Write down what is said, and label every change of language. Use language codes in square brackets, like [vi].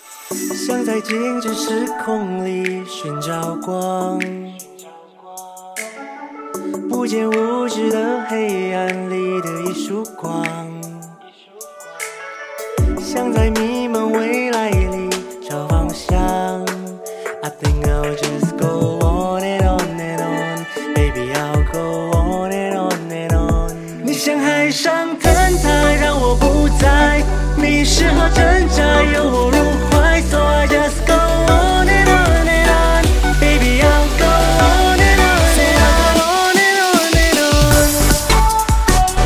[zh] 想在静止时空里寻找光，不见物质的黑暗里的一束光，想在迷茫未来里找方向。 [en] I think I'll just go on and on and on, Baby I'll go on and on and on。 [zh] 你像海上天台，让我不再迷失和挣扎，由我入。 [en] So I just go on and on and on, Baby I'll go on and on and on and on and on and on。